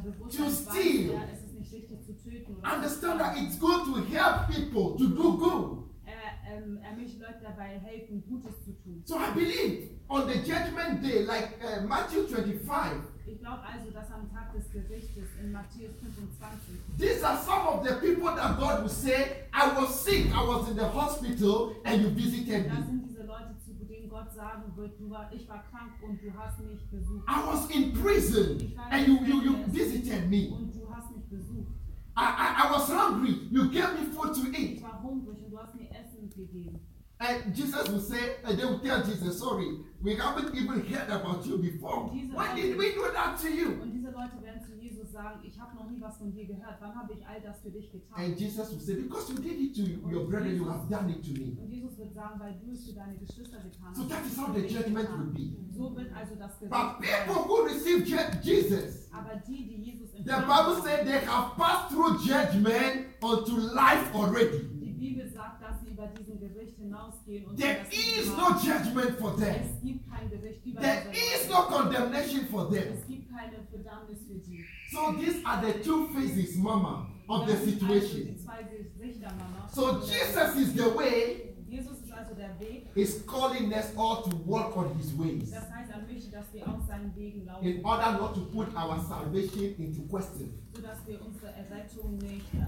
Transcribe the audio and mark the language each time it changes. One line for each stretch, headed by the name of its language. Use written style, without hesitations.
English: To steal. Understand that it's good to help people to do good.
German: Möchte Leute dabei helfen, Gutes zu tun.
English: So I believe on the judgment day, like Matthew 25.
German: Ich glaube also, dass am Tag des Gerichtes in Matthäus 25.
English: These are some of the people that God will say, I was sick, I was in the hospital, and you visited me.
German: Das sind diese Leute, zu denen Gott sagen wird, ich war krank und du hast mich besucht.
English: I was in prison and you visited me.
German: Und du hast mich besucht.
English: I was hungry. You gave me food to eat.
German: Ich war hungrig und du hast mir Essen gegeben.
English: And Jesus will say, they will tell Jesus, sorry, we haven't even heard about you before. Why did we do that to you?
German: Und diese Leute werden zu Jesus sagen, ich habe noch nie was von dir gehört. Wann habe ich all das für dich getan?
English: And Jesus will say, because you did it to your brother, you have done it to me.
German: Und Jesus wird sagen, weil du es für deine Geschwister getan hast.
English: So that is how the judgment will be.
German: So wird also das Gericht.
English: But people who receive Jesus,
German: aber die Jesus,
English: the Bible said they have passed through judgment unto life already.
German: Die Bibel sagt, dass sie über diesen Gericht hinausgehen und
English: there
German: sie
English: is no judgment for them.
German: Es gibt kein Gericht über
English: there is no condemnation for them.
German: Es gibt keine Verdammnis für sie.
English: So these are the two phases, Mama, of
German: das
English: the situation.
German: Also die zwei Richter, Mama.
English: So Jesus is the way.
German: Jesus ist also der Weg.
English: He's calling us all to walk on his ways.
German: Das heißt, möchte, dass wir auch seinen Wegen laufen.
English: In order not to put our salvation into question.
German: So dass wir unsere Errettung nicht